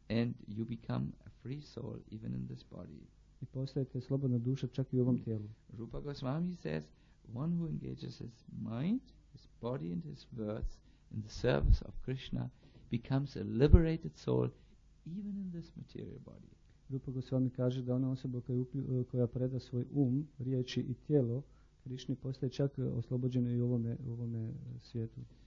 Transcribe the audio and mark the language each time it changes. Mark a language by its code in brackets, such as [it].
[en] And you become a free soul even in this body. [hr] I postajete slobodna duša čak i u ovom tijelu. [en] Rupa Goswami says, one who engages his mind, his body and his words in the service of Krishna becomes a liberated soul even in this material body. [hr] Rupa Goswami kaže da ona osoba koja preda svoj um, riječi i tijelo Krishni postaje čak oslobođena i u ovome svijetu.